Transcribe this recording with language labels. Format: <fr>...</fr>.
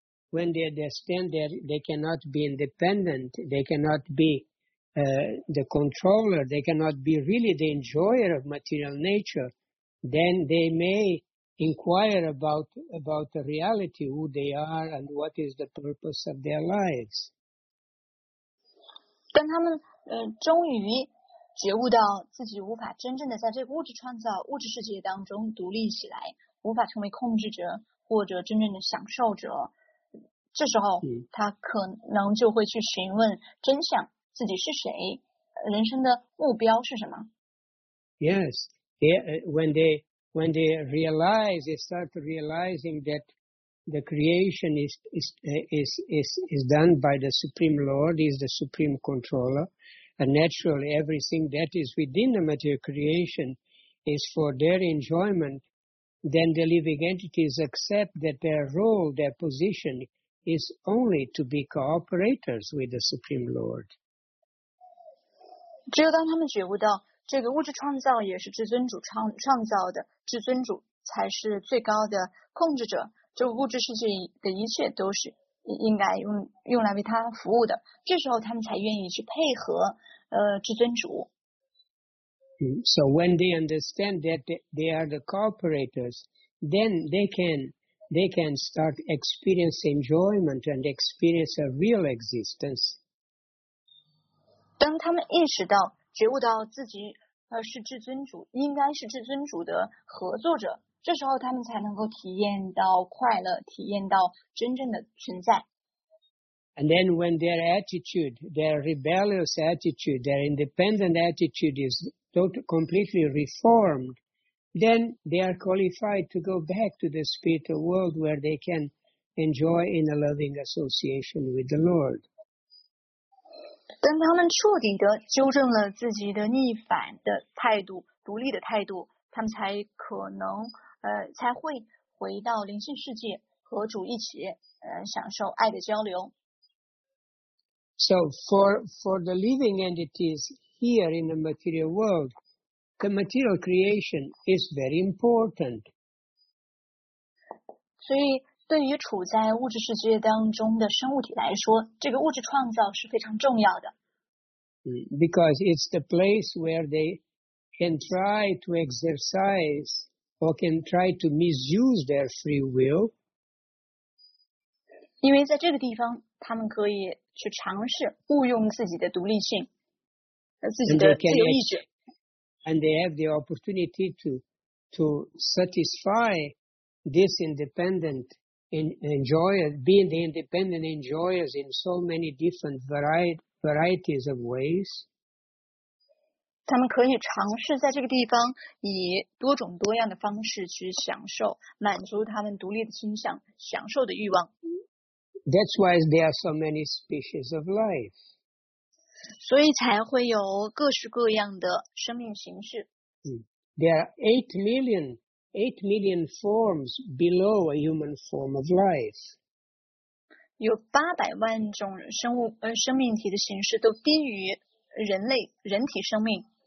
<en>When they understand that they cannot be independent, they cannot be the controller, they cannot be really the enjoyer of material nature, then they may inquire about the reality, who they are and what is the purpose of their lives.</en> <zh>当他们终于觉悟到自己无法真正的在这个物质创造物质世界当中独立起来，无法成为控制者或者真正的享受者，这时候他可能就会去询问真相，自己是谁，人生的目标是什么。</zh> <en>Yes, when they realize, they start realizing that the creation is done by the Supreme Lord, is the Supreme Controller, and naturally everything that is within the material creation is for their enjoyment, then the living entities accept that their role, their position, is only to be cooperators with the Supreme Lord.</en> <zh>只有当他们觉悟到这个物质创造也是至尊主创造的，至尊主才是最高的控制者，这物质世界的一切都是应该用来为他服务的，这时候他们才愿意去配合至尊主。</zh> <en>So when they understand that they are the cooperators, then they can start experience enjoyment and experience a real existence.</en> <zh>当他们意识到觉悟到自己是至尊主，应该是至尊主的合作者，这时候他们才能够体验到快乐，体验到真正的存在。</zh> <en>And then when their attitude, their rebellious attitude, their independent attitude is completely reformed, then they are qualified to go back to the spiritual world where they can enjoy in a loving association with the Lord.</en> <zh>当他们彻底的纠正了自己的逆反的态度，独立的态度，他们才可能才会回到灵性世界，和主一起享受爱的交流。</zh> <en>So for the living entities here in the material world, the material creation is very important.</en> <zh>所以对于处在物质世界当中的生物体来说，这个物质创造是非常重要的。</zh> <en>Because it's the place where they can try to exercise or can try to misuse their free will.</en> <zh>因为在这个地方，他们可以去尝试误用自己的独立性，自己的自由意志。</zh> <en>And they have the opportunity to satisfy this independent being the independent enjoyers in so many different varieties of ways.</en> <zh>他们可以尝试在这个地方以多种多样的方式去享受，满足他们独立的倾向，享受的欲望。</zh> <en>That's why there are so many species of life.</en> <zh>所以才会有各式各样的生命形式。</zh> <en>There are 8 million forms below a human form of life.</en> <zh>有800万种生物生命体的形式都低于人类人体生命。</zh>